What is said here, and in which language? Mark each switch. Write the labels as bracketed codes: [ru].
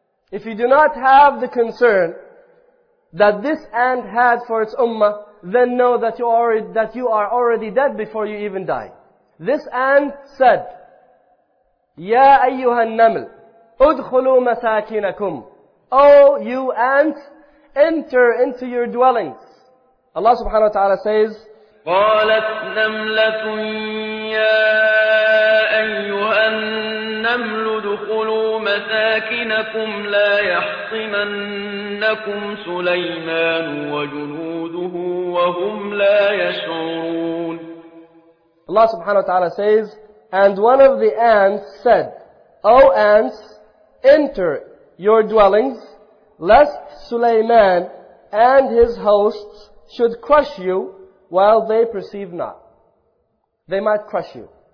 [en] If you do not have the concern that this ant had for its ummah, then know that you are already dead before you even die. This ant said, [ar] "Ya ayyuha an-naml, udkhulu masakinakum." [en] Oh, you ants, enter into your dwellings. Allah subhanahu wa ta'ala says, [ar] قالت نملة يا أيها النمل ادخلوا مساكنكم لا يحطمنكم سليمان وجنوده وهم لا يشعرون. [en] Allah subhanahu wa ta'ala says, and one of the ants said, O ants, enter your dwellings, lest Sulaiman and his hosts should crush you while they perceive not. They might crush you.